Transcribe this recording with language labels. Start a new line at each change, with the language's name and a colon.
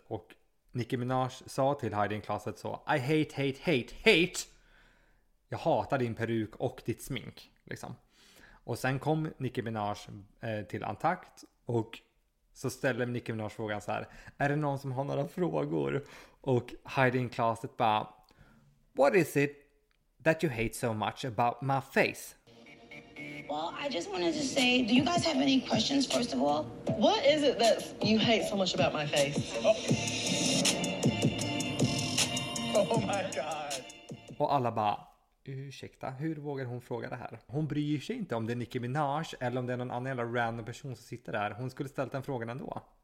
Swedish: Och Nicki Minaj sa till Heidi in Closet så,
English: I hate, hate, hate, hate.
Swedish: Jag hatar din peruk och ditt smink. Liksom. Och sen kom Nicki Minaj till antakt. Och så ställer Nicki Minaj frågan så här, är det någon som har några frågor? Och Heidi in Closet bara,
English: what is it that you hate so much about my face? Well, I just wanted to say, do you guys have any questions first of all? What is it that you hate so much about my face? Oh my god.
Swedish: Och alla bara, ursäkta, hur vågar hon fråga det här? Hon bryr sig inte om det är Nicki Minaj eller om det är någon annan jävla random person som sitter där. Hon skulle ställa den frågan ändå.